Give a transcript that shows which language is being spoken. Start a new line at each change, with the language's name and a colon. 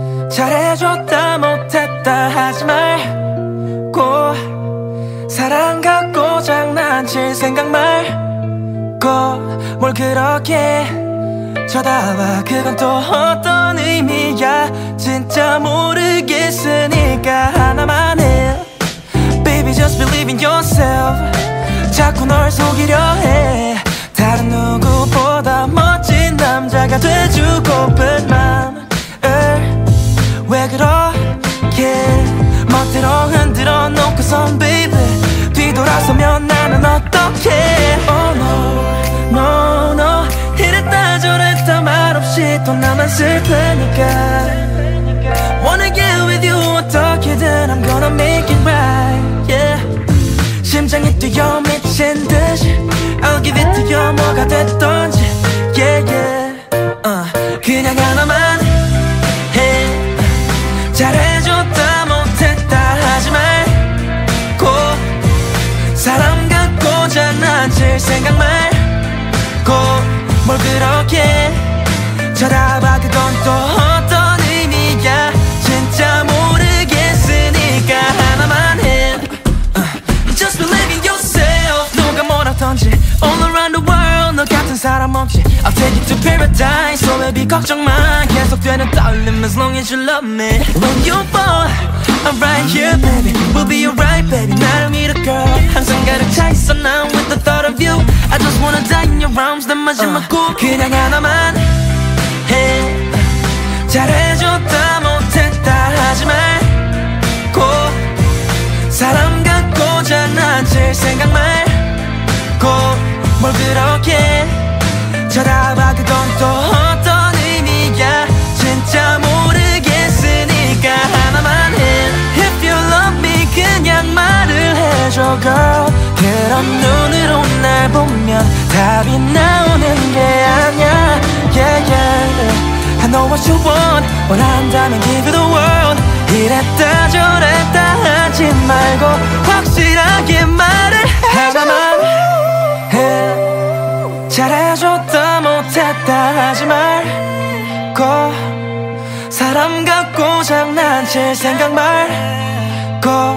Korean: 잘해줬다 못했다 하지 말고, 사랑 갖고 장난칠 생각 말고. 뭘 그렇게 쳐다봐. 그건 또 어떤 의미야. 진짜 모르겠으니까 하나만 해.
English: Baby just believe in yourself.
Korean: 자꾸 널 속이려 해. 다른 누구보다 멋진 남자가 돼주고픈 맘을 왜 그렇게 멋대로 흔들어 놓고선 baby 뒤돌아서면 나는 어떡해.
English: Oh no no no.
Korean: 이랬다 저랬다 말없이 또 나만 슬프니까.
English: Wanna get with you
Korean: 어떻게든
English: I'm gonna make it right. Yeah.
Korean: 심장이 뛰어 미친 듯이
English: I'll give it to you
Korean: 뭐가 됐던지.
English: Yeah yeah.
Korean: 그냥 하나만 해. 잘해줬다 못했다 하지 말고, 사람 같고 장난칠 생각 말고. 뭘 그렇게 쳐다봐. 그건 또 어떤 의미야. 진짜 모르겠으니까 하나만 해.
English: Just believe in yourself.
Korean: 누가 뭐라던지
English: All around the world
Korean: 너 같은 사람 없지.
English: I'll take you to paradise. So baby
Korean: 걱정 마. 계속되는 떨림
English: As long as you love me. When you fall I'm right here baby. We'll be alright baby.
Korean: 나를 믿어
English: girl.
Korean: 항상 가득 차 있어 난
English: with the thought of you. I just wanna die in your arms.
Korean: 내 마지막 꿈. 그냥 하나만 해. 잘해줬다 못했다 하지 말고, 사람 같고 장난칠 생각 말고. 뭘 그렇게 쳐다봐. 그건 또 어떤 의미야. 진짜 모르겠으니까 하나만 해.
English: If you love me
Korean: 그냥 말을 해줘
English: girl.
Korean: 그런 눈으로 날 보면 답이 나오는 게 아니야.
English: Yeah yeah. I know what you want.
Korean: 원한다면
English: give it the world.
Korean: 이랬다 저랬다 하지 말고 확실하게 말을 하나만 해. 잘해줬다 못했다 하지 말고, 사람 같고 장난칠 생각 말고.